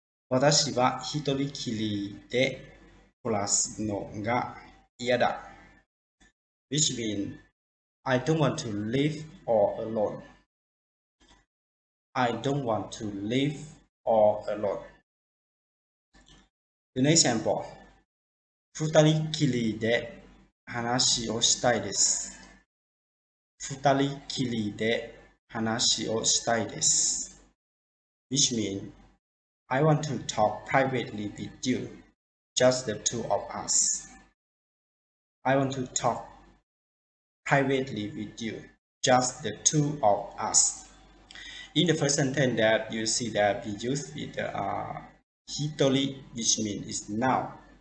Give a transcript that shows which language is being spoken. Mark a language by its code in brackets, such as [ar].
[ja] 私は一人きりで暮らすのが嫌だ。 [en] Which mean, I don't want to live or alone. I don't want to live or alone. [ja] The next example, 二人きりで話をしたいです。二人きりで話をしたいです。 [en] Which mean,I want to talk privately with you, just the two of us. I want to talk privately with you, just the two of us. In the first sentence that you see that we use with the hitori, which means is now.